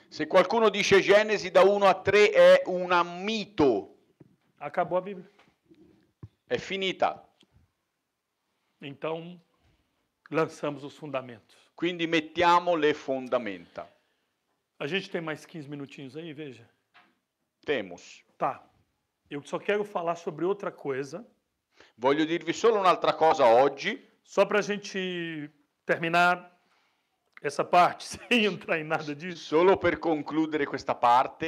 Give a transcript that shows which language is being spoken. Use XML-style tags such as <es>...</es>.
<it>Se qualcuno dice Gênesi da 1 a 3 è un mito.</it> <pt>Acabou a Bíblia.</pt> <it>È finita.</it> <pt>Então, lançamos os fundamentos.</pt> <it>Quindi mettiamo le fondamenta.</it> <pt>A gente tem mais 15 minutinhos aí, veja. Temos. Tá. Eu só quero falar sobre outra coisa.</pt> <it>Voglio dirvi solo un'altra cosa oggi.</it> <pt>Só para a gente terminar essa parte, sem entrar em nada disso.</pt> <it>Solo per concludere questa parte.</it>